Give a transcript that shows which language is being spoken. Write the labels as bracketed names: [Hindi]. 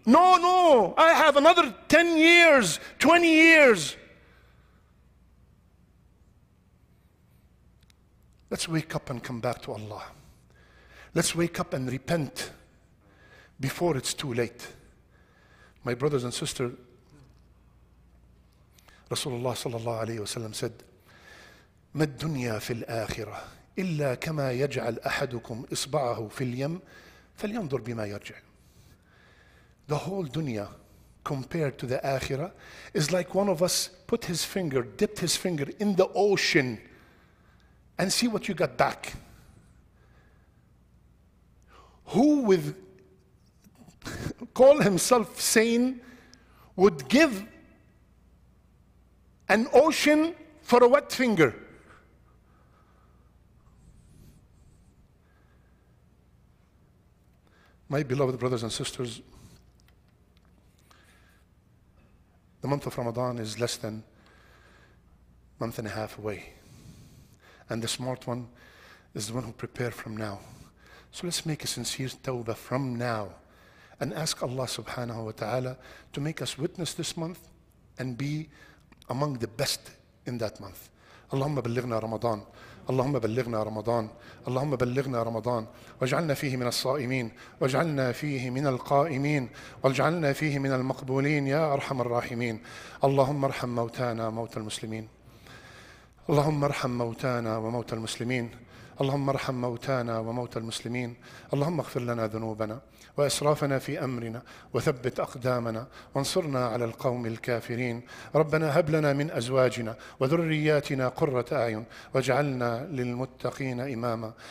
[English] No, no, I have another 10 years, 20 years. Let's wake up and come back to Allah. Let's wake up and repent before it's too late. My brothers and sisters, Rasulullah sallallahu alayhi wa sallam said, [Arabic] ما الدنيا في الآخرة إلا كما يجعل أحدكم إصبعه في اليم فلينظر بما يرجع. [English] The whole dunya compared to the akhira is like one of us put his finger, dipped his finger in the ocean and see what you got back. Who would call himself sane would give an ocean for a wet finger? My beloved brothers and sisters, the month of Ramadan is less than a month and a half away. And the smart one is the one who prepare from now. So let's make a sincere tawbah from now and ask Allah subhanahu wa ta'ala to make us witness this month and be among the best in that month. [Arabic] Allahumma balighna Ramadan. اللهم بلغنا رمضان اللهم بلغنا رمضان واجعلنا فيه من الصائمين واجعلنا فيه من القائمين واجعلنا فيه من المقبولين يا أرحم الراحمين اللهم ارحم موتانا وموتى المسلمين اللهم ارحم موتانا وموتى المسلمين اللهم ارحم موتانا وموتى المسلمين اللهم اغفر لنا ذنوبنا وإسرافنا في أمرنا وثبت أقدامنا وانصرنا على القوم الكافرين ربنا هب لنا من أزواجنا وذرياتنا قرة أعين واجعلنا للمتقين إماما